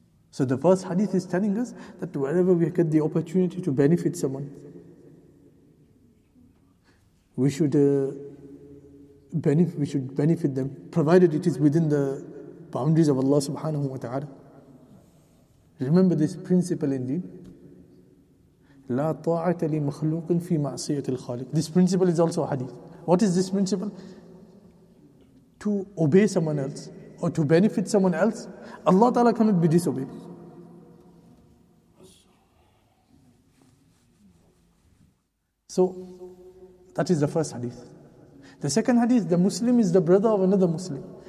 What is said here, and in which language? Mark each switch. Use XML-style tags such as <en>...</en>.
<en>So the first hadith is telling us that wherever we get the opportunity to benefit someone, we should benefit them, provided it is within the boundaries of Allah subhanahu wa ta'ala. Remember this principle indeed.</en> <ar>لا طاعة لمخلوق في معصية الخالق.</ar> <en>This principle is also a hadith. What is this principle? To obey someone else or to benefit someone else, Allah Ta'ala cannot be disobeyed. So that is the first hadith. The second hadith, the Muslim is the brother of another Muslim.</en>